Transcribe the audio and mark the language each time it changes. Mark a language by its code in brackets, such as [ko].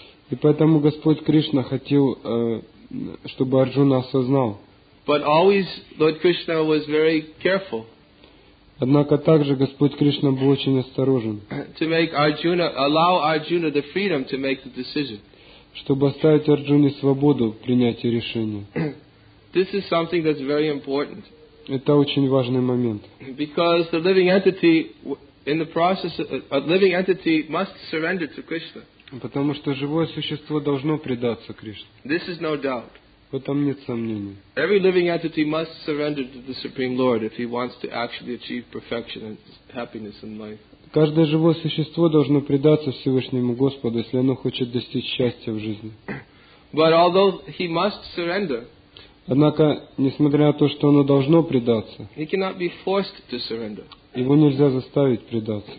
[ru] И поэтому Господь Кришна хотел, чтобы Арджуна осознал. [en] But always Lord Krishna was very careful. [ru] Однако также Господь Кришна был очень осторожен. [en] To make Arjuna, allow Arjuna the freedom to make the decision. [ru] Чтобы оставить Арджуне свободу в принятии решения. [en] This is something that's very important. [ru] Это очень важный момент. [en] Because the living entity in the process of, a living entity must surrender to Krishna. [ru] Потому что живое существо должно предаться Кришне. [en] This is no doubt. [ru] В этом нет сомнений. [en] Every living entity must surrender to the Supreme Lord if he wants to actually achieve perfection and happiness in life. [ru] Каждое живое существо должно предаться Всевышнему Господу, если оно хочет достичь счастья в жизни. [en] But although he must surrender, [ru] однако, несмотря на то, что оно должно предаться, [en] he cannot be forced to surrender. [ru] Его нельзя заставить предаться.